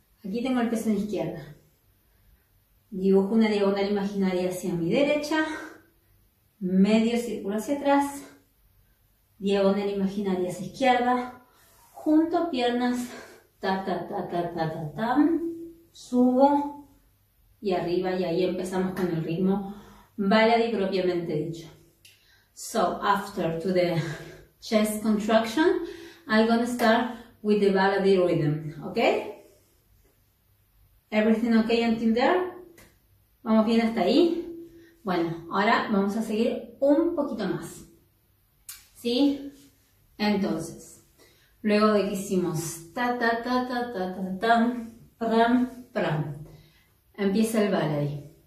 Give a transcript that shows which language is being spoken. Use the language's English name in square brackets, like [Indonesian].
[Spanish] Aquí tengo el peso en izquierda. Dibujo una diagonal imaginaria hacia mi derecha, medio círculo hacia atrás, diagonal imaginaria hacia izquierda, junto piernas, ta ta ta ta ta ta tam, subo y arriba y ahí empezamos con el ritmo baladí propiamente dicho. [English] So, after to the chest contraction, I'm gonna start with the baladí rhythm, okay? Everything okay until there? [Spanish] ¿Vamos bien hasta ahí? Bueno, ahora vamos a seguir un poquito más. ¿Sí? Entonces, luego de que hicimos ta ta ta ta ta ta tam, pram, pram, empieza el baladí.